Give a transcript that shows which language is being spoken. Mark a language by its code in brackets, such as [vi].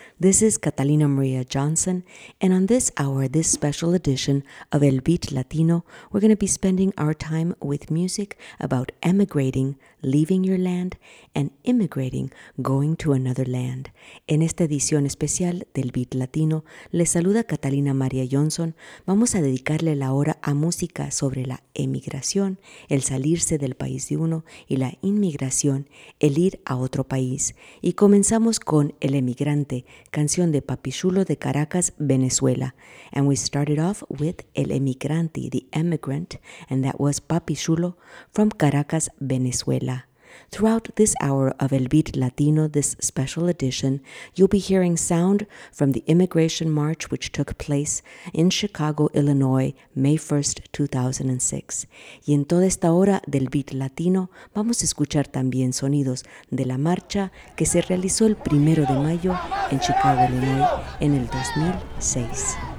[en] This is Catalina Maria Johnson, and on this hour, this special edition of El Beat Latino, we're going to be spending our time with music about emigrating, leaving your land, and immigrating, going to another land. [es] En esta edición especial del Beat Latino, les saluda Catalina Maria Johnson. Vamos a dedicarle la hora a música sobre la emigración, el salirse del país de uno, y la inmigración, el ir a otro país. Y comenzamos con El Emigrante, canción de Papi Chulo de Caracas, Venezuela. [en] And we started off with El Emigrante, The Emigrant, and that was Papi Chulo from Caracas, Venezuela. Throughout this hour of El Beat Latino, this special edition, you'll be hearing sound from the immigration march which took place in Chicago, Illinois, May 1st, 2006. [es] Y en toda esta hora del Beat Latino, vamos a escuchar también sonidos de la marcha que se realizó el 1 de mayo en Chicago, Illinois, en el 2006.